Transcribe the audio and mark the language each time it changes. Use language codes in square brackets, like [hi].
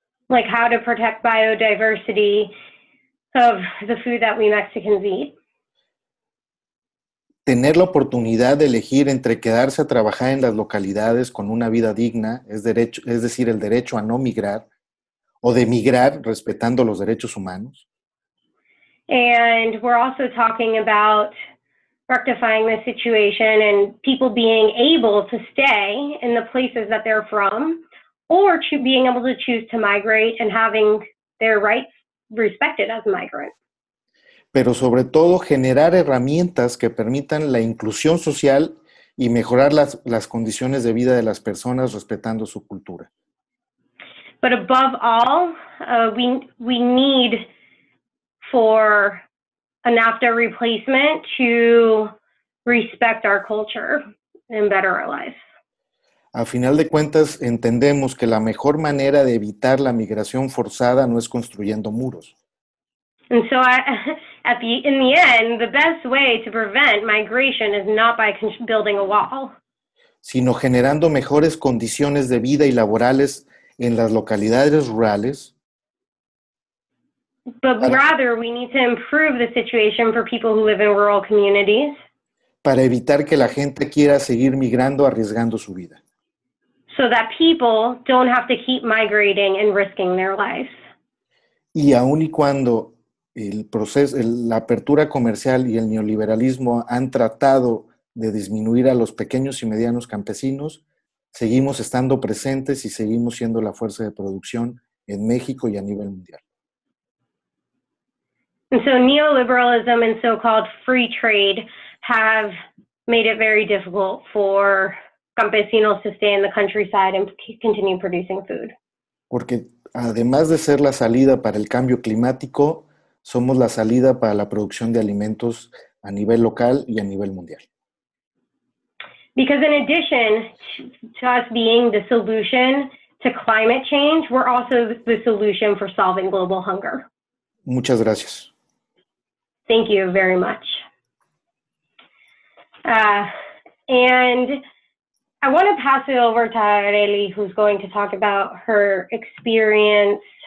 [en] Like how to protect biodiversity of the food that we Mexicans eat. [es] Tener la oportunidad de elegir entre quedarse a trabajar en las localidades con una vida digna, es decir, el derecho a no migrar, o de migrar respetando los derechos humanos. [en] And we're also talking about rectifying the situation and people being able to stay in the places that they're from or to being able to choose to migrate and having their rights respected as migrants. [es] Pero sobre todo generar herramientas que permitan la inclusión social y mejorar las condiciones de vida de las personas respetando su cultura. [en] But above all, we need for a NAFTA replacement to respect our culture and better our lives. [es] A final de cuentas, entendemos que la mejor manera de evitar la migración forzada no es construyendo muros. [en] And so, in the end, the best way to prevent migration is not by building a wall. [es] Sino generando mejores condiciones de vida y laborales en las localidades rurales. [en] But rather, we need to improve the situation for people who live in rural communities. [es] Para evitar que la gente quiera seguir migrando, arriesgando su vida. [en] So that people don't have to keep migrating and risking their lives. [es] Y aun y cuando el proceso, la apertura comercial y el neoliberalismo han tratado de disminuir a los pequeños y medianos campesinos, seguimos estando presentes y seguimos siendo la fuerza de producción en México y a nivel mundial. [en] And so neoliberalism and so-called free trade have made it very difficult for campesinos to stay in the countryside and continue producing food. [es] Porque además de ser la salida para el cambio climático, somos la salida para la producción de alimentos a nivel local y a nivel mundial. [en] Because in addition to us being the solution to climate change, we're also the solution for solving global hunger. [es] Muchas gracias. [en] Thank you very much. And I want to pass it over to Areli, who's going to talk about her experience.